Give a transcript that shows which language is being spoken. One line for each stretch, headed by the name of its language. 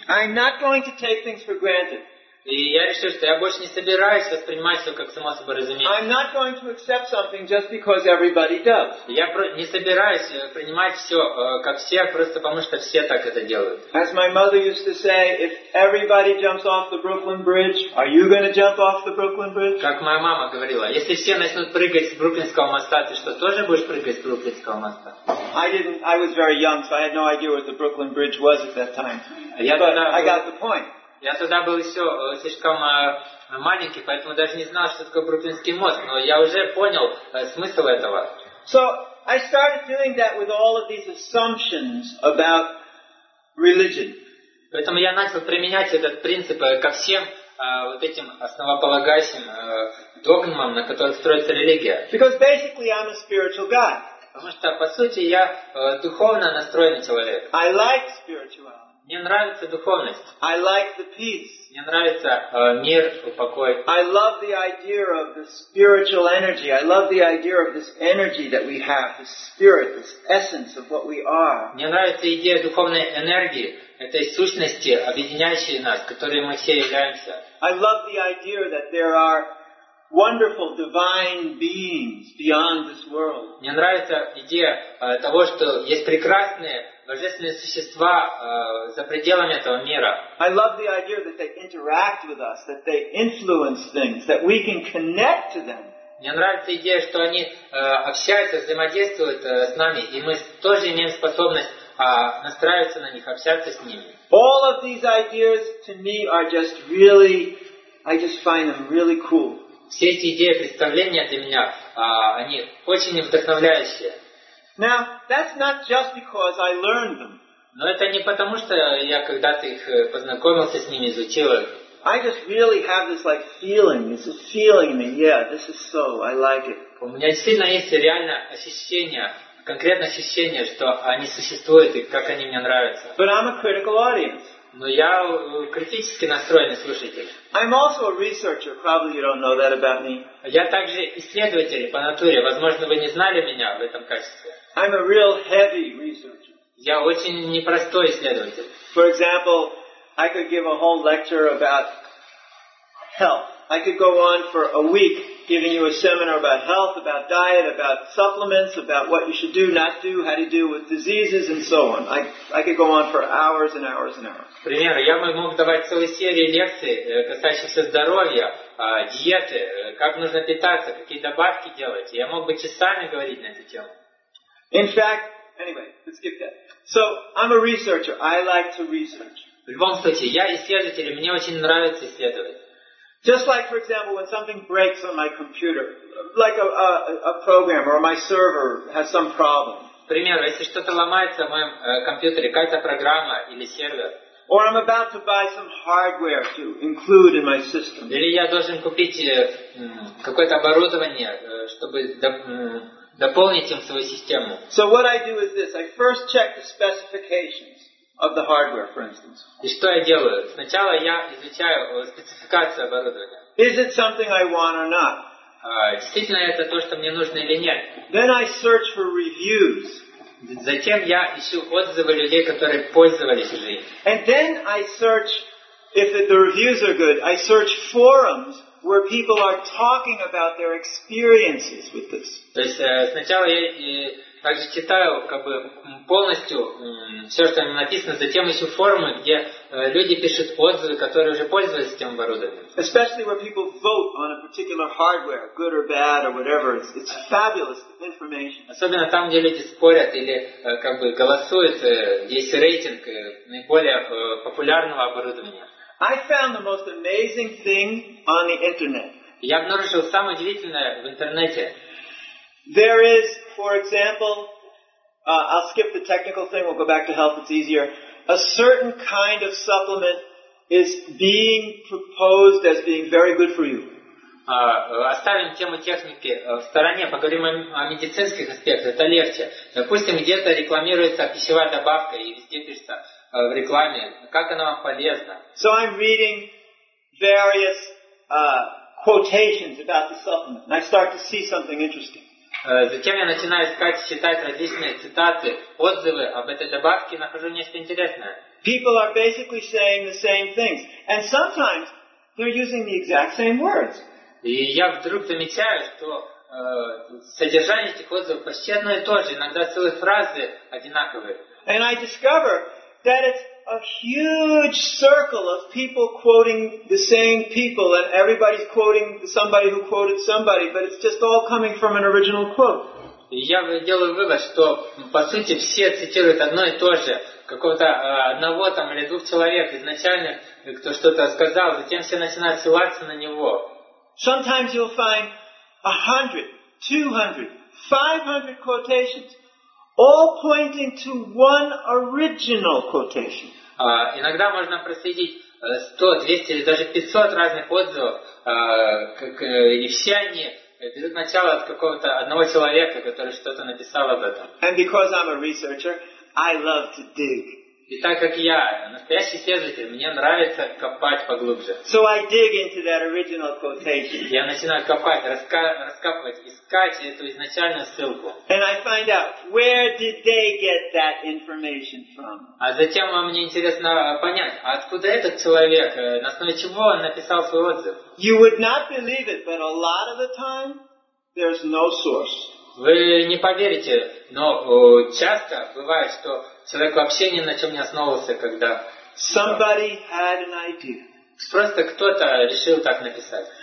English: I'm not going to take things for granted.
Russian: И я решил, что я больше не собираюсь воспринимать все как само собой разумеющееся.
English: I'm not going to accept something just because everybody does.
Russian: Я не собираюсь принимать все как все, просто потому что все так это делают.
English: As my mother used to say, if everybody jumps off the Brooklyn Bridge, are you going to jump off the Brooklyn Bridge?
Russian: Как моя мама говорила, если все начнут прыгать с Бруклинского моста, ты что, тоже будешь прыгать с Бруклинского моста?
English: I was very young, so I had no idea what the Brooklyn Bridge was at that time. But I got the point.
Russian: Я тогда был еще слишком маленький, поэтому даже не знал, что такое Бруклинский мост, но я уже понял смысл этого.
English: So I started doing that with all of these assumptions about religion.
Russian: Поэтому я начал применять этот принцип ко всем вот этим основополагающим догмам, на которых строится религия.
English: Because basically I'm a spiritual guy.
Russian: Потому что по сути я духовно настроенный человек.
English: I like spirituality.
Russian: Мне нравится духовность.
English: I like the peace.
Russian: Мне нравится мир, покой.
English: I love the idea of the spiritual energy. I love the idea of this energy that we have, this spirit, this essence of what we are.
Russian: Мне нравится идея духовной энергии, этой сущности, объединяющей нас, которой мы все являемся.
English: I love the idea that there are wonderful divine beings beyond this world.
Russian: Мне нравится идея того, что есть прекрасные божественные существа за пределами этого мира.
English: I love the idea that they interact with us, that they influence things, that we can connect to them.
Russian: Мне нравится идея, что они общаются, взаимодействуют с нами, и мы тоже имеем способность настраиваться на них, общаться с ними.
English: All of these ideas to me are just really, I just find them really cool.
Russian: Все эти идеи, представления для меня, они очень вдохновляющие.
English: Now, that's not just because I learned them.
Russian: Но это не потому, что я когда-то их познакомился с ними, изучил их.
English: I just really have this like feeling. It's a feeling in me. Yeah, this is so. I like it.
Russian: У меня действительно есть реально ощущение, конкретное ощущение, что они существуют и как они мне нравятся.
English: But I'm a critical audience.
Russian: Но я критически настроенный слушатель.
English: I'm also a researcher. Probably you don't know that about me.
Russian: Я также исследователь по натуре. Возможно, вы не знали меня в этом качестве.
English: I'm a real heavy researcher.
Russian: Я очень непростой исследователь.
English: For example, I could give a whole lecture about health. I could go on for a week giving you a seminar about health, about diet, about supplements, about what you should do, not do, how to deal with diseases, and so on. I could go on for hours and hours and hours.
Russian: Например, я мог давать целую серию лекций, касающихся здоровья, диеты, как нужно питаться, какие добавки делать. Я мог бы часами говорить на эту тему.
English: In fact, anyway, let's skip that. So, I'm a researcher. I like to research.
Russian: В любом случае, я исследователь, и мне очень нравится исследовать.
English: Just like, for example, when something breaks on my computer, like a program or my server has some problem.
Russian: К примеру, если что-то ломается в моем компьютере, какая-то программа или сервер.
English: Or I'm about to buy some hardware to include in my system.
Russian: Или я должен купить какое-то оборудование, чтобы дополнить им свою систему.
English: So what I do is this. I first check the specifications of the hardware, for instance.
Russian: И что я делаю? Сначала я изучаю спецификацию оборудования.
English: Is it something I want or not?
Russian: Действительно это то, что мне нужно или нет?
English: Then I search for reviews.
Russian: Затем я ищу отзывы людей, которые пользовались уже.
English: And then I search, if the reviews are good, I search forums where people are talking about their experiences with this.
Russian: То есть сначала я также читаю как бы полностью все, что там написано, затем ищу форумы, где люди пишут отзывы, которые уже пользовались этим оборудованием.
English: Especially where people vote on a particular hardware, good or bad or whatever, it's fabulous information.
Russian: Особенно там, где люди спорят или как бы голосуют, есть рейтинг наиболее популярного оборудования.
English: I found the most amazing thing on the internet.
Russian: Я обнаружил самое удивительное в интернете.
English: There is, for example, I'll skip the technical thing, we'll go back to health, it's easier. A certain kind of supplement is being proposed as being very good for you.
Russian: Оставим тему техники в стороне, поговорим о медицинских аспектах, это легче. Допустим, где-то рекламируется пищевая добавка, и везде пишется в рекламе, как она вам полезна.
English: So I'm reading various quotations about the supplement, and I start to see something interesting.
Russian: Затем я начинаю искать, читать различные цитаты, отзывы об этой добавке, и нахожу нечто интересное.
English: People are basically saying the same things. And sometimes they're using the exact same words.
Russian: И я вдруг замечаю, что содержание этих отзывов почти одно и то же, иногда целые фразы одинаковые.
English: And I discover that it's a huge circle of people quoting the same people, and everybody's quoting somebody who quoted somebody, but it's just all coming from an original quote.
Russian: Я делаю вывод, что по сути все цитируют одно и то же какого-то одного там или двух человек изначально, кто что-то сказал, затем все начинают ссылаться на него.
English: Sometimes you'll find 100, 200, 500 quotations, all pointing to one original quotation.
Russian: Иногда можно проследить 100, 200 или даже 500 разных отзывов, и все они берут начало от какого-то одного человека, который что-то написал об этом.
English: And because I'm a researcher, I love to dig.
Russian: И так как я настоящий исследователь, мне нравится копать поглубже.
English: So I dig into that original quotation.
Russian: Я начинаю копать, раскапывать, искать эту изначальную ссылку.
English: And I find out, where did they get that information from?
Russian: А затем мне интересно понять, а откуда этот человек, на основе чего он написал свой отзыв?
English: You would not believe it, but a lot of the time, there's no source.
Russian: Вы не поверите, но часто бывает, что человек вообще ни на чем не основывался, когда...
English: Somebody had an idea.
Russian: Просто кто-то решил так написать.